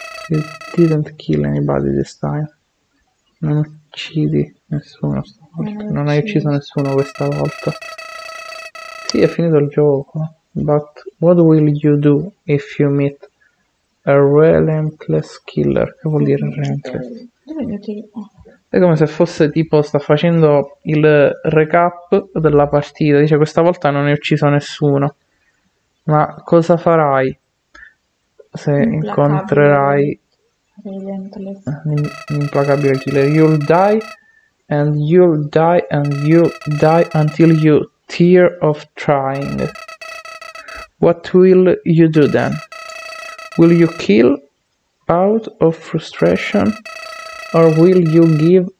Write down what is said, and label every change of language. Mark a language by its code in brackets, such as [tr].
[en] You didn't kill anybody this time. [it] Non uccidi nessuno stavolta. Non hai ucciso nessuno questa volta. Sì, è finito il gioco. [en] But what will you do if you meet a relentless killer? [it] Che vuol dire relentless? È come se fosse tipo sta facendo il recap della partita, dice questa volta non hai ucciso nessuno, ma cosa farai se incontrerai l'implacabile killer? [en] You'll die and you'll die and you'll die until you tire of trying. What will you do then? Will you kill out of frustration? Or will you give